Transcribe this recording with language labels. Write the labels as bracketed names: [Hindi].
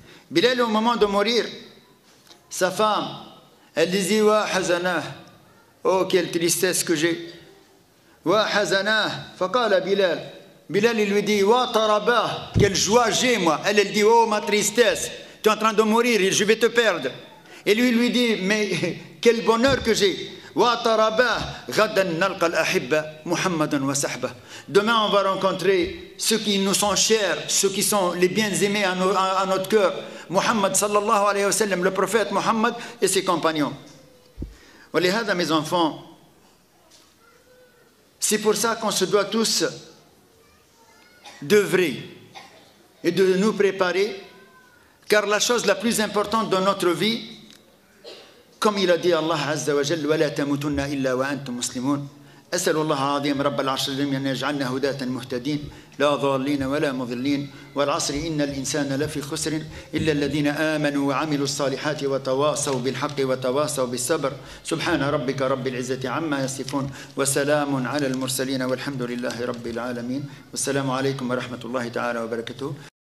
[French] Bilal, au moment de mourir, sa femme, elle disait [Arabic] Wa hazanah, [French] oh quelle tristesse que j'ai. [Arabic] Wa hazanah, faqala Bilal. [French] Bilal, il lui dit [Arabic] Wa tarabah, [French] quelle joie j'ai moi. Elle dit Oh ma tristesse, tu es en train de mourir, je vais te perdre. Et lui, il lui dit Mais quel bonheur que j'ai. [Arabic] واترباه غدا نلقى الأحبة محمدا وسحبة. [French] Demain on va rencontrer ceux qui nous sont chers, ceux qui sont les bien-aimés à notre cœur. Muhammad sallallahu alayhi wa sallam, le prophète Muhammad et ses compagnons. [Arabic] ولهذا [French] mes enfants, c'est pour ça qu'on se doit tous d'œuvrer et de nous préparer, car la chose la plus importante dans notre vie, comme il a dit Allah Azza wa Jalla, [Arabic] wa la tamutunna illa wa antum muslimun. أسأل الله العظيم رب العرش العظيم أن يجعلنا هداة مهتدين لا ضالين ولا مضلين والعصر إن الإنسان لفي خسر إلا الذين آمنوا وعملوا الصالحات وتواصوا بالحق وتواصوا بالصبر سبحان ربك رب العزة عما يصفون وسلام على المرسلين والحمد لله رب العالمين والسلام عليكم ورحمة الله تعالى وبركاته.